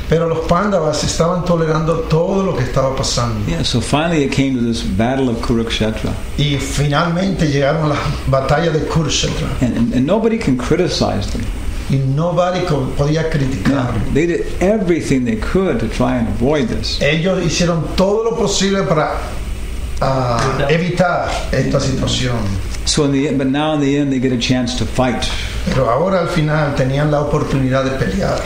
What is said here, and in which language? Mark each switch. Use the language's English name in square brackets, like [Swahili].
[Spanish] Pero los Pandavas estaban tolerando todo lo que estaba pasando. [English] Yeah, so finally it came to this battle of Kurukshetra. [Spanish] Y finalmente llegaron a la batalla de Kurukshetra. [English] And nobody can criticize them. [Spanish] Y [English] nobody [Spanish] podía criticarlo. [English] They did everything they could to try and avoid this. [Spanish] Ellos hicieron todo lo posible para evitar esta situación. [English] So in the, but now in the end they get a chance to fight. [Spanish] Pero ahora al final tenían la oportunidad de pelear.